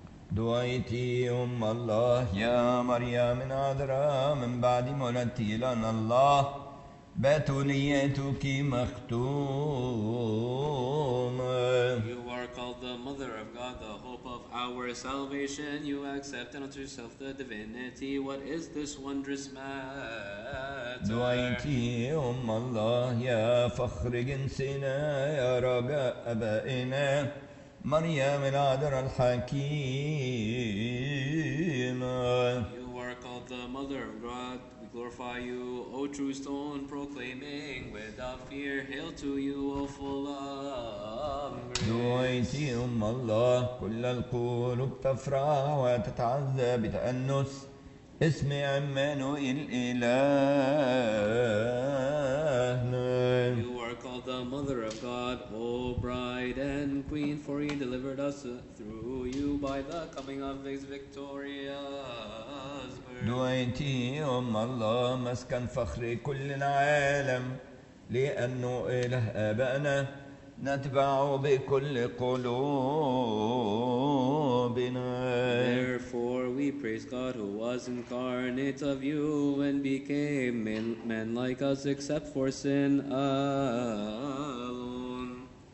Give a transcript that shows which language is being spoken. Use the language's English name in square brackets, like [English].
[Arabic] دعيتي أم الله يا مريم نادرة من بعد مولدتي لنا الله بتوليتك مختومة. [English] You are called the Mother of God, the hope of our salvation. You accept unto yourself the divinity. What is this wondrous matter? [Arabic] دعيتي أم الله يا فخر جنسنا يا رجاء أبائنا مريم العذراء الحكيمة. [English] You are called the Mother of God. We glorify you, O true stone, proclaiming without fear, hail to you, O full of grace. [Arabic] دعيتي أم الله كل القلوب تفرح وتتعزى بتأنس اسم عمانوئيل إلهنا. [English] The Mother of God, O Bride and Queen, for He delivered us through you by the coming of His victorious birth. [Arabic] دعيتي أم الله مسكن فخر كل العالم لأنه إله آبائنا نتبع بكل قلوبنا. [English] Therefore we praise God who was incarnate of you and became man like us except for sin alone.